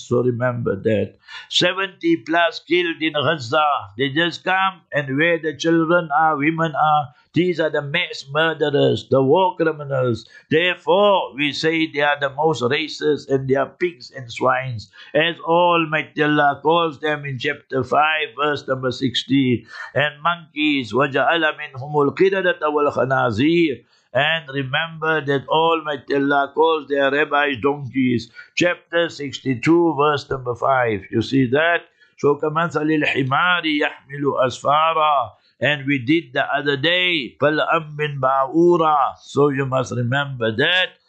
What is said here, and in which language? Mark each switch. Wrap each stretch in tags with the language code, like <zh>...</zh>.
<en>So remember that. 70 plus killed in Gaza. They just come and where the children are, women are. These are the mass murderers, the war criminals. Therefore, we say they are the most racist and they are pigs and swines. As Almighty Allah calls them in chapter 5, verse number 16. And monkeys,</en> <ar>وَجَعَلَ مِنْهُمُ الْقِرَدَةَ وَالْخَنَازِيرِ.</ar> <en>And remember that Almighty Allah calls their rabbis donkeys. Chapter 62, verse number 5. You see that? So</en> <ar>كَمَثَلِ الْحِمَارِ يَحْمِلُ أَسْفَارًا.</ar> <en>And we did the other day,</en> <ar>فَلْأَمْ مِنْ بَعُورًا.</ar> <en>So you must remember that.</en>